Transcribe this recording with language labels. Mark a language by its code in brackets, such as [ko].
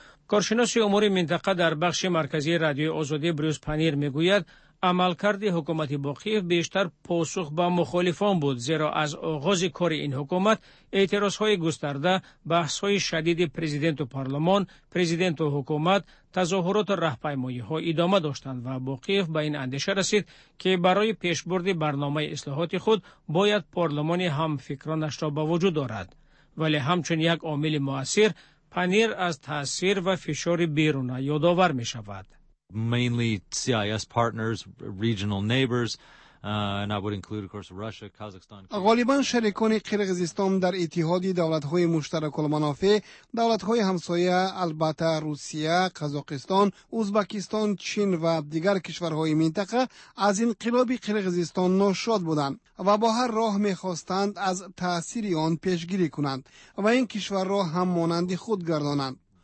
[fa] کارشناس امور منطقه در بخش مرکزی رادیو آزادی بروس پنیر میگوید عملکرد حکومت باقیف بیشتر پاسخ به مخالفان بود، زیرا از آغاز کار این حکومت اعتراض های گسترده، بحث های شدید پرزیدنت و پارلمان، پرزیدنت و حکومت، تظاهرات راهپیمایی ها ادامه داشتند و باقیف به این اندیشه رسید که برای پیشبرد برنامه اصلاحات خود باید پارلمان هم فکرانش را به وجود دارد. ولی همچون یک عامل مؤثر، پنیر از تاثیر و فشار بیرون یادآور می شود. [en] Mainly CIS partners, regional neighbors, and I would include, of course, Russia, Kazakhstan. [fa] غالباً شریکان قرقیزستان در اتحاد دولت‌های مشترک المنافع، دولت‌های همسایه البته روسیه، قزاقستان، ازبکستان، چین و دیگر کشورهای منطقه از انقلاب قرقیزستان ناشاد بودند و با هر راه می‌خواستند از تأثیر آن پیشگیری کنند و این کشور را هم مانند خود گردانند.